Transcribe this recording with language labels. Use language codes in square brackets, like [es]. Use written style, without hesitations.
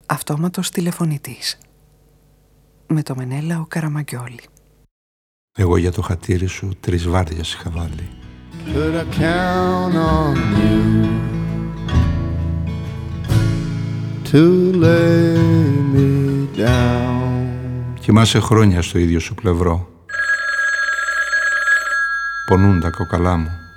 [el] Αυτόματος τηλεφωνητής. Με το Μενέλαο Καραμαγκιόλη. Εγώ για το χατήρι σου τρεις βάρδιες είχα βάλει. [en] Could I count on you to lay me down? [el] Κοιμάσαι χρόνια στο ίδιο σου πλευρό. Πονούν τα κοκαλά μου.